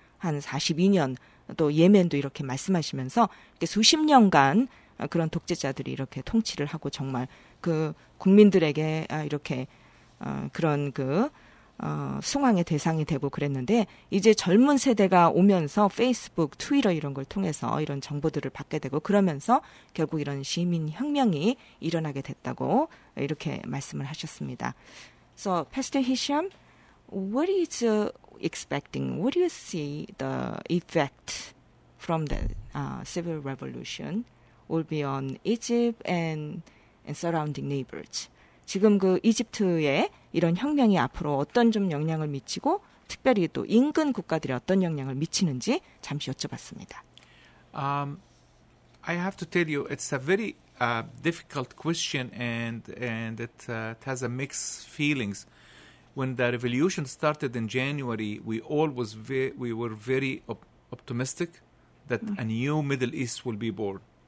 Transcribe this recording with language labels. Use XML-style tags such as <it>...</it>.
<ko>한 42년, 또 예멘도 이렇게 말씀하시면서 이렇게 수십 년간 그런 독재자들이 이렇게 통치를 하고 정말 그 국민들에게 이렇게 그런 그 숭앙의 대상이 되고 그랬는데, 이제 젊은 세대가 오면서 페이스북, 트위터 이런 걸 통해서 이런 정보들을 받게 되고 그러면서 결국 이런 시민 혁명이 일어나게 됐다고 이렇게 말씀을 하셨습니다.</ko> <en>So, Pastor Hisham, what is expecting? What do you see the effect from the civil revolution will be on Egypt and surrounding neighbors?</en> <ko>지금 그 이집트에 이런 혁명이 앞으로 어떤 좀 영향을 미치고 특별히 또 인근 국가들이 어떤 영향을 미치는지 잠시 여쭤봤습니다.</ko> <en>I have to tell you it's a very difficult question and it has a mixed feelings. When the revolution started in January, we were very optimistic that a new Middle East will be born.</en>